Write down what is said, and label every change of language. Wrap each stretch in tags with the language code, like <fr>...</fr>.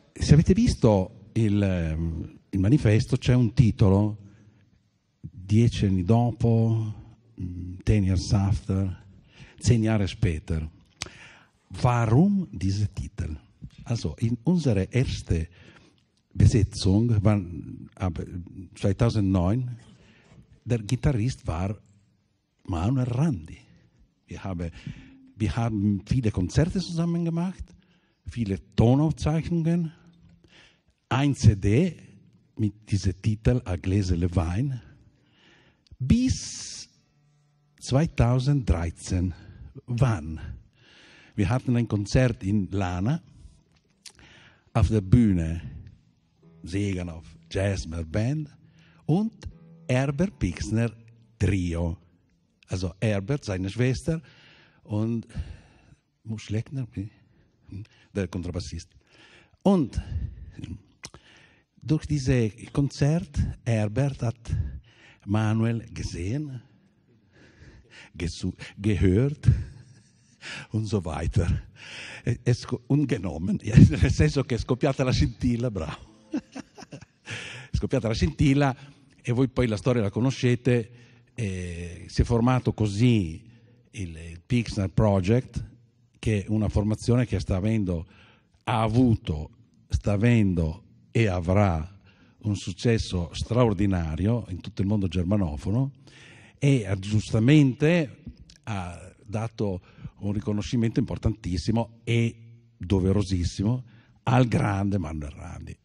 <it>avete visto il manifesto? C'è un titolo, 10 anni dopo,</it> <en>10 years after,</en> <it>10 years später.</it> <de>Warum dieser Titel? Also in unserer erste Besetzung, 2009, der Gitarrist war Manuel Randi. Wir haben viele Konzerte zusammen gemacht, viele Tonaufzeichnungen, ein CD mit diesem Titel A Gläserle Wein, bis 2013. Wann? Wir hatten ein Konzert in Lana, auf der Bühne Seganov Jazzmer Band und Herbert Pixner Trio. Also Herbert, seine Schwester und Muschleckner, der Kontrabassist. Und durch dieses Konzert, Herbert hat Manuel gesehen, gehört und so weiter. Und genommen,</de> <it>nel senso che è scoppiata la scintilla, bravo. Scoppiata la scintilla e voi poi la storia la conoscete. Si è formato così il Pixner Project, che è una formazione che sta avendo, ha avuto, sta avendo e avrà un successo straordinario in tutto il mondo germanofono, e giustamente ha dato un riconoscimento importantissimo e doverosissimo al grande Manuel Randi.</it>